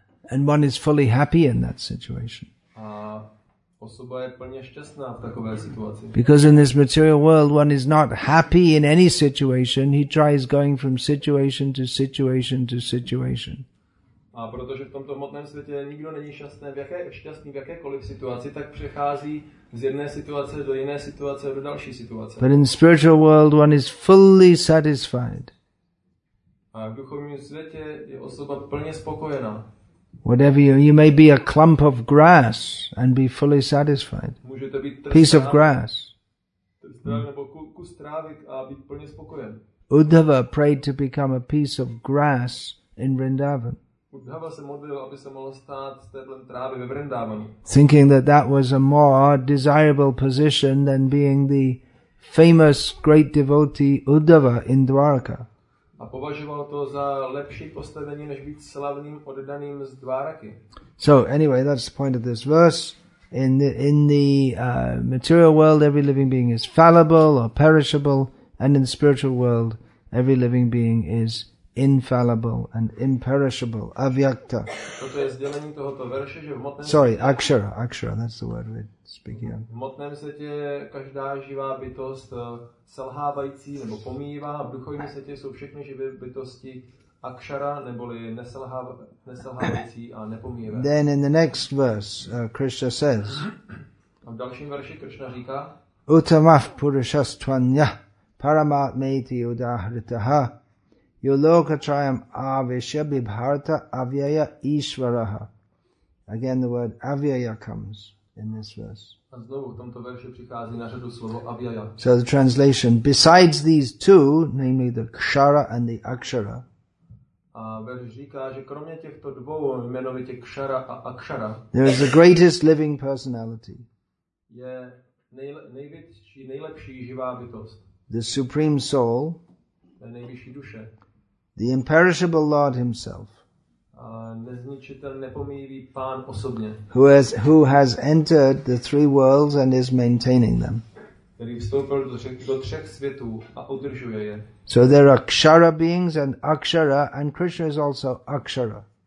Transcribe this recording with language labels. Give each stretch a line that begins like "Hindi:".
English: And one is fully happy in that situation.
Czech: A osoba je plně šťastná v takové situaci.
English: Because in this material world, one is not happy in any situation. He tries going from situation to situation to situation.
Czech: A protože v tomto hmotném světě nikdo není šťastný v jakékoliv situaci, tak přechází z jedné situace do jiné situace do další situace.
English: But in the spiritual world one is fully satisfied.
Czech: A v duchovním světě je osoba plně spokojená.
English: Whatever you may be a clump of grass and be fully satisfied.
Czech: Můžete být trstná,
English: piece of grass.
Czech: Nebo kus trávy a být plně spokojen.
English: Uddhava prayed to become a piece of grass in Vrindavan.
Czech: Uddhava se modlil, aby se mohl stát stéblem trávy ve Vrindávanu.
English: Thinking that that was a more desirable position than being the famous great devotee Uddhava in Dvaraka.
Czech: A považoval to za lepší postavení, než být slavným oddaným z Dváraky.
English: So anyway, that's the point of this verse. In the material world, every living being is fallible or perishable, and in the spiritual world, every living being is infallible and imperishable, avyakta.
Czech: Toto je sdělení tohoto verše, že v hmotném světě...
English: Sorry, akshara, that's the word we're speaking of.
Czech: V hmotném světě každá živá bytost selhávající nebo pomývá, a v duchovním světě jsou všechny živé bytosti akshara, neboli neselhávající a nepomývá.
English: Then in the next verse, Krishna says...
Czech: A v dalším verši Krishna říká...
Sanskrit: Uttamah purushastvanya paramatmeti udahritaha Yolokatrayam avishya bibharata avyaya ishvaraha.
English: Again the word avyaya comes in this verse.
Czech: A znovu v tomto verši přichází na řadu slovo avyaya.
English: So the translation, besides these two, namely the kshara and the akshara.
Czech: A verš říká, že kromě těchto dvou, jmenovitě kshara a akshara,
English: there is the greatest living personality.
Czech: Je největší, nejlepší živá bytost.
English: The supreme soul.
Czech: Nejvyšší duše.
English: The imperishable Lord himself.
Czech: nezničitel, nepomíjivý pán osobně.
English: Who has entered the three worlds and is maintaining them.
Czech: Který vstoupil do třech světů a udržuje je.
English: So there are kshara beings and akshara, and Krishna is also akshara.